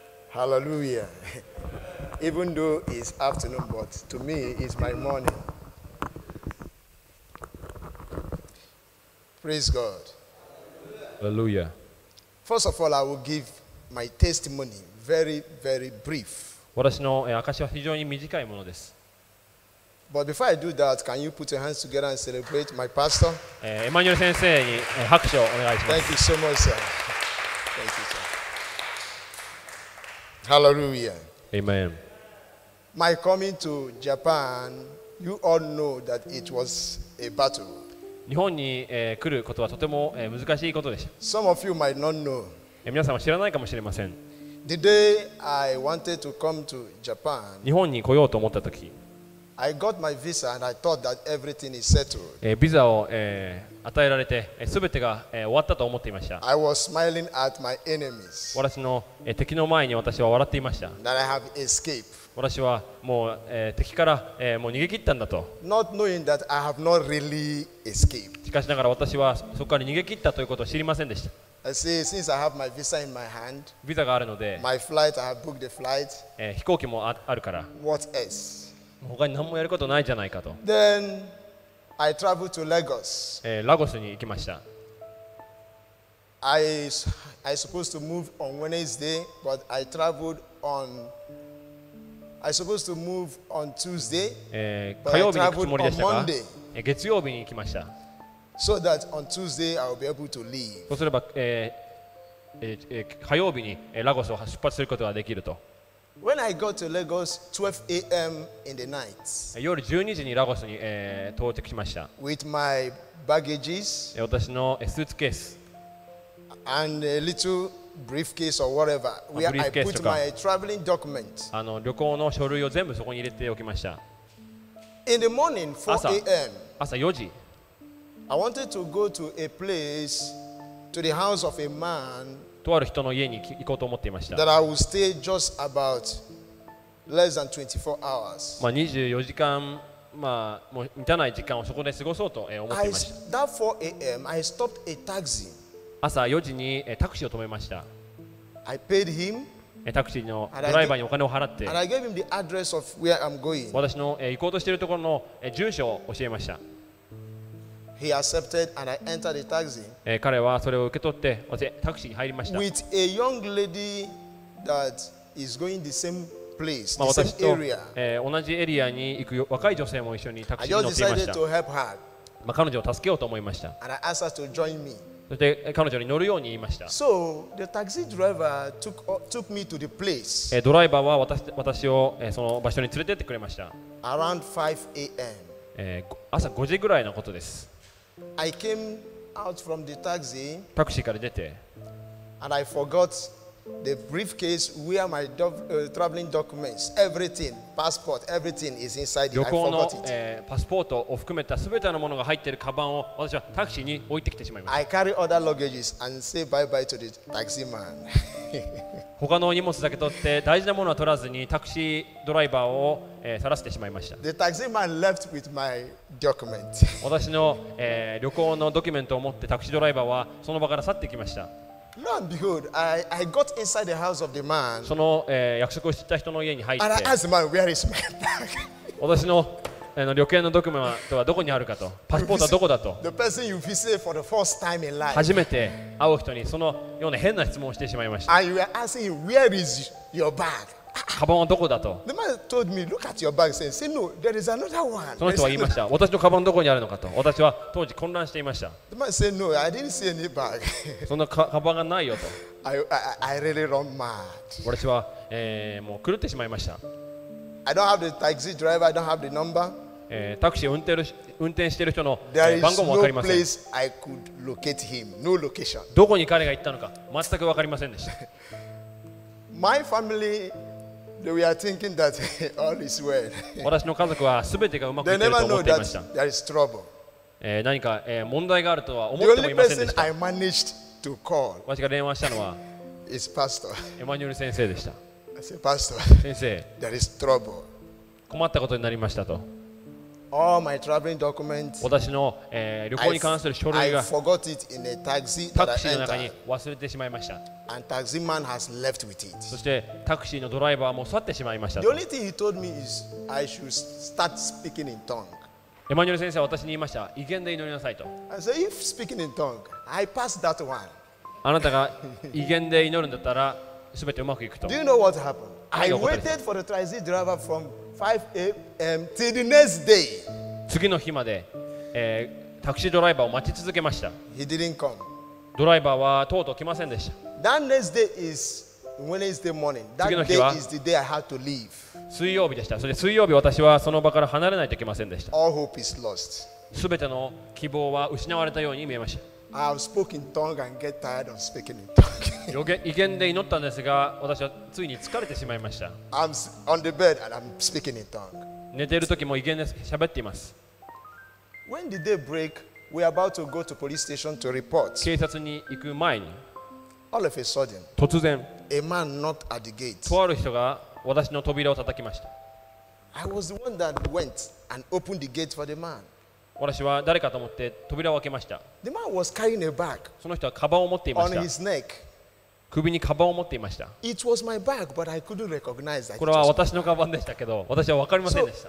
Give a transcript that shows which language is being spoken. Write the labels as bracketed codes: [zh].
[en] Hallelujah. Even though it's afternoon, but to me, it's my morning. Praise God. Hallelujah. First of all, I will give my testimony very, very brief. [ja] 私の証は非常に短いものです。 [en] But before I do that, can you put your hands together and celebrate my pastor? [ja] Emmanuel 先生に拍手をお願いします。 [en] Thank you so much, sir. Thank you, sir. Hallelujah. Amen. My coming to Japan, you all know that it was a battle. [ja] 日本に来ることはとても難しいことでした。 [en] Some of you might not know. [ja] 皆さんは知らないかもしれません。 [en] The day I wanted to come to Japan, [ja] 日本に来ようと思ったとき、 [en] I got my visa and I thought that everything is settled. [ja] ビザを与えられて、全てが終わったと思っていました。 [en] I was smiling at my enemies. [ja] 私の敵の前に私は笑っていました。 [en] That I have escaped. [ja] 私はもう敵からもう逃げ切ったんだと。 [en] Not knowing that I have not really escaped. [ja] しかしながら私はそこから逃げ切ったということを知りませんでした。 [en] I see, since I have my visa in my hand, [ja] ビザがあるので、 [en] my flight, I have booked the flight. [ja] 飛行機もあるから。 [en] What else? [ja] 他に何もやることないじゃないかと。 [en] Then I traveled to Lagos. [ja] ラゴスに行きました。 [en] I supposed to move on Wednesday, but I traveled on. I supposed to move on Tuesday. [ja] 火曜日に行くつもりでしたが、月曜日に行きました。 [en] So that on Tuesday I will be able to leave. [ja] そうすれば、火曜日にラゴスを出発することができると。 [en] When I got to Lagos, 12 a.m. in the night. [ja] 夜12時にラゴスに到着しました。 [en] With my baggages. [ja] 私のスーツケース。 [en] And a little briefcase or whatever. Where I put my traveling documents. [ja] 旅行の書類を全部そこに入れておきました。 [en] In the morning, 4 a.m. [ja] 朝4時。 [en] I wanted to go to a place, to the house of a man. [ja] とある人の家に行こうと思っていました。 [en] That I will stay just about less than 24 hours. [ja] まあ24時間、まあもう満たない時間をそこで過ごそうと思っていました。 [en] That 4 a.m. I stopped a taxi. [ja] 朝4時にタクシーを止めました。 [en] I paid him, [ja] タクシーのドライバーにお金を払って [en] and I gave him the address of where I'm going. [ja] 私の行こうとしているところの住所を教えました。 [en] He accepted and I entered the taxi. [ja] 彼はそれを受け取ってタクシーに入りました。 [en] With a young lady that is going the same place, the same area. [ja] 私と同じエリアに行く若い女性も一緒にタクシーに乗っていました。 [en] I decided to help her. [ja] まあ、彼女を助けようと思いました。 [en] And I asked her to join me. [ja] そして彼女に乗るように言いました。 [en] So, the taxi driver took me to the place. [ja] ドライバーは 私をその場所に連れてってくれました。 [en] Around 5 a.m. [ja] 朝5時ぐらいのことです。 [en] I came out from the taxi, [ja] タクシーから出て、 [en] and I forgot the briefcase where my traveling documents, everything, passport, everything is inside it. [ja] 旅行のパスポートを含めた全てのものが入っているカバンを私はタクシーに置いてきてしまいました。 [en] I carry other luggages and say bye bye to the taxi man. [ja] 他の荷物だけ取って大事なものは取らずにタクシードライバーを去らせてしまいました。 [en] The taxi man left with my document. [ja] 私の旅行のドキュメントを持ってタクシードライバーはその場から去ってきました。 [en] Lo and behold, I got inside the house of the man. [ja] その約束をしていた人の家に入って。 [en] And I asked the man, "Where is my bag?" [ja] 私の旅券のドキュメントはどこにあるかと、パスポートはどこだと。 [en] The person you visited for the first time in life. [ja] 初めて会う人にそのような変な質問をしてしまいました。 [en] And you were asking, "Where is your bag?" [ja] カバンはどこだと。 [en] The man told me, "Look at your bag." He said, "No, there is another one." [ja] その人は言いました。私のカバンどこにあるのかと。私は当時混乱していました。 [en] The man said, "No, I didn't see any bag." [ja] そんなカバンがないよと。 [en] I really run mad. [ja] 私はもう狂ってしまいました。 [en] I don't have the taxi driver. I don't have the number. [ja] タクシーを運転している人の番号もわかりません。 [en] There is no place I could locate him. No location. [ja] どこに彼が行ったのか全くわかりませんでした。 [en] My family. We are thinking that all is well. [ja] 私の家族はすべてがうまくいっていると思っていました。 [en] There is trouble. [ja] 何か問題があるとは思ってもいませんでした。 [en] The only person I managed to call. [ja] 私が電話したのは [en] is Pastor. [ja] エマニュエル先生でした。 [en] I said, Pastor. [ja] 先生。 [en] There is trouble. [ja] 困ったことになりましたと。 [en] All my traveling documents. [ja] 私の旅行に関する書類が [en] I forgot it in a taxi. [ja] タクシーの中に忘れてしまいました。 [en] And taxi man has left with it. [ja] そしてタクシーのドライバーも去ってしまいました。 [en] The only thing he told me is I should start speaking in tongue. [ja] エマニュエル先生は私に言いました。異言で祈りなさいと。 [en] I said, if speaking in tongue, I pass that one. [ja] あなたが異言で祈るんだったら、すべてうまくいくと。 [en] Do you know what happened? I waited for the taxi driver from 5 a.m. till the next day. [ja] 次の日まで、タクシードライバーを待ち続けました。 [en] He didn't come. [ja] ドライバーはとうとう来ませんでした。 [en] That next day is Wednesday morning. That day is the day I had to leave. [ja] 水曜日でした。それで水曜日私はその場から離れないといけませんでした。 [en] All hope is lost. [ja] すべての希望は失われたように見えました。 [en] I have spoken tongue and get tired of speaking in tongue. [ja] 異言で祈ったんですが、私はついに疲れてしまいました。 [en] I'm on the bed and I'm speaking in tongue. [ja] 寝ている時も異言で喋っています。 [en] When did they break? We are about to go to police station to report. [ja] 警察に行く前に。 [en] All of a sudden, [ja] 突然、 [en] a man knocked at the gate. [ja] とある人が私の扉を叩きました。 [en] I was the one that went and opened the gate for the man. [ja] 私は誰かと思って扉を開けました。 [en] The man was carrying a bag. [ja] その人はカバンを持っていました。 [en] On his neck. [ja] 首にカバンを持っていました。 [en] It was my bag, but I couldn't recognize that. [ja] これは私のカバンでしたけど、私は分かりませんでした。